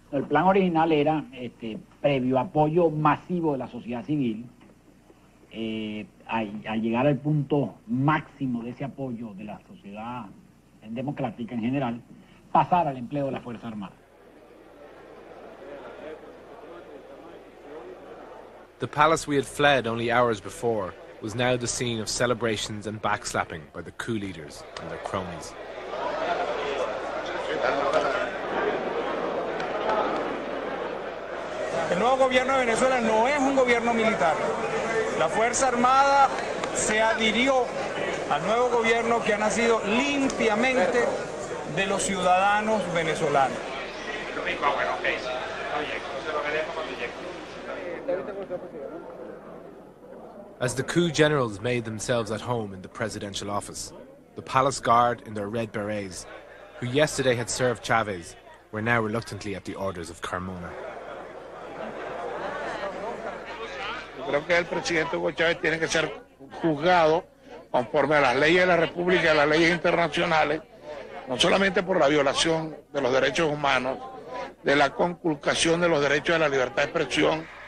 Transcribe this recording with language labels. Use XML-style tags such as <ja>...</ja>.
<es>El plan original era, previo apoyo masivo de la sociedad civil, al llegar al punto máximo de ese apoyo de la sociedad democrática en general, pasar al empleo de la Fuerza Armada.</es> <en>The palace we had fled only hours before was now the scene of celebrations and backslapping by the coup leaders and their cronies.</en> <es>El nuevo gobierno de Venezuela no es un gobierno militar. La Fuerza Armada se adhirió al nuevo gobierno que ha nacido limpiamente de los ciudadanos venezolanos. Gracias.</es> <en>As the coup generals made themselves at home in the presidential office, the palace guard in their red berets, who yesterday had served Chavez, were now reluctantly at the orders of Carmona.</en> <es>Creo que el presidente Hugo Chávez tiene que ser juzgado conforme a las leyes de la República y a las leyes internacionales, no solamente por la violación de los derechos humanos, de la conculcación de los derechos de la libertad de expresión.</es>